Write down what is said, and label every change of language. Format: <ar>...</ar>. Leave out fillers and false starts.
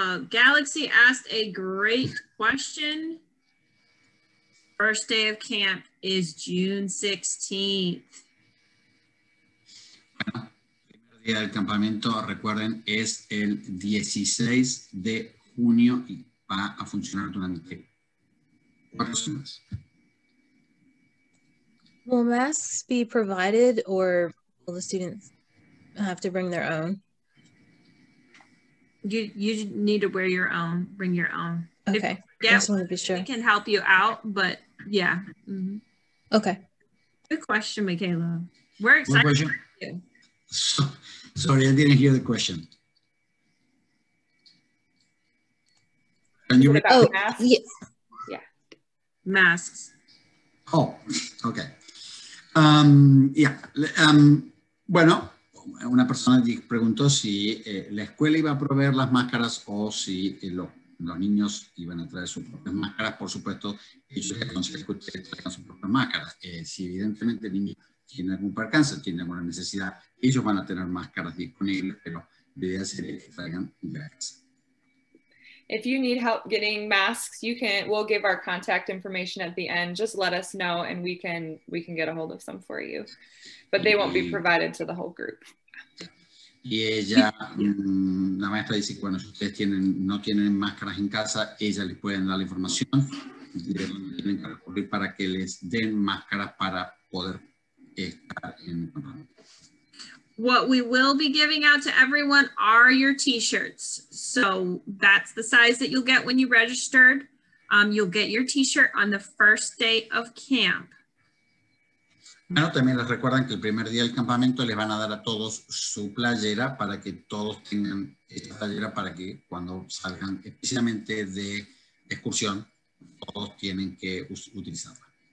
<en>Galaxy asked a great question. First day of camp is June 16th.</en> <es>Bueno, primer día del campamento, recuerden, es el 16 de junio y va a funcionar durante 4 semanas.</es> <en>Will masks be provided or will the students have to bring their own? You need to wear your own, bring your own. Okay, yeah, I just want to be sure. We can help you out, but yeah. Mm-hmm. Okay. Good question, Michaela. We're excited for you. Sorry, I didn't hear the question. Can you repeat? Oh, masks? Yeah. Yeah. Masks. Oh, okay. Yeah. Bueno.</en> <es>Una persona preguntó si la escuela iba a proveer las máscaras o si los niños iban a traer sus propias máscaras. Por supuesto, ellos les aconsejan que ustedes traigan sus propias máscaras. Si evidentemente el niño tiene algún percance, tiene alguna necesidad, ellos van a tener máscaras disponibles, pero la idea sería que traigan las.</es> <en>If you need help getting masks, we'll give our contact information at the end. Just let us know and we can get a hold of some for you. But they won't be provided to the whole group.</en> <es>Y ella, la maestra dice, bueno, si ustedes no tienen máscaras en casa, ella les puede dar la información de dónde tienen que recurrir para que les den máscaras para poder estar en el campamento.</es> <en>What we will be giving out to everyone are your t-shirts. So that's the size that you'll get when you registered. You'll get your t-shirt on the first day of camp.</en> <es>Bueno, también les recuerdan que el primer día del campamento les van a dar a todos su playera para que todos tengan esta playera para que cuando salgan especialmente de excursión, todos tienen que utilizarla.</es>